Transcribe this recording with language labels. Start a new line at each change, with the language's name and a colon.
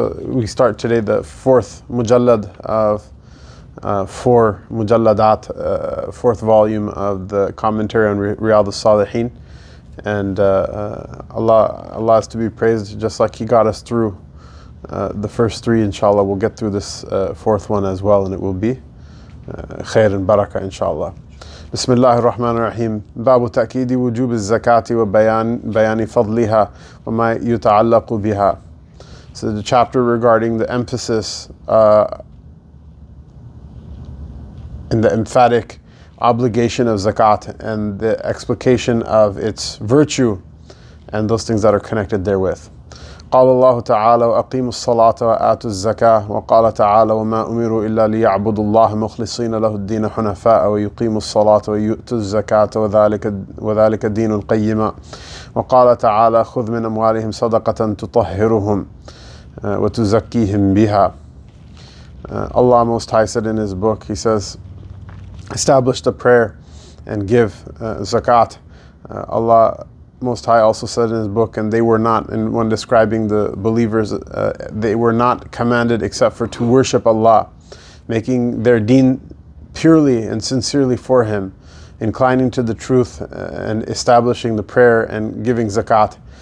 English: we start today the fourth mujallad of four mujalladat, fourth volume of the commentary on Riyād al-Sālihīn, and Allah is to be praised. Just like He got us through the first three, inshallah, we'll get through this fourth one as well, and it will be khair and barakah, inshallah.
Arabic: بسم الله الرحمن الرحيم باب تأكيد وجوب الزكاة وبيان بيان فضلها وما يتعلق بها.
English: So the chapter regarding the emphasis and the emphatic obligation of zakat and the explication of its virtue and those things that are connected therewith.
Arabic: قال الله تعالى وأقيموا الصلاة وآتوا الزكاة وقال تعالى وما أمروا إلا ليعبدوا الله مخلصين له الدين حنفاء ويقيموا الصلاة ويؤتوا الزكاة وذلك دين القيمة وقال تعالى خذ من أموالهم صدقة تطهرهم وتزكيهم بها.
English: Allah Most High said in His book, He says, establish the prayer and give zakat. Allah Most High also said in His book, and they were not, and when describing the believers, they were not commanded except for to worship Allah, making their deen purely and sincerely for Him, inclining to the truth, and establishing the prayer and giving zakat.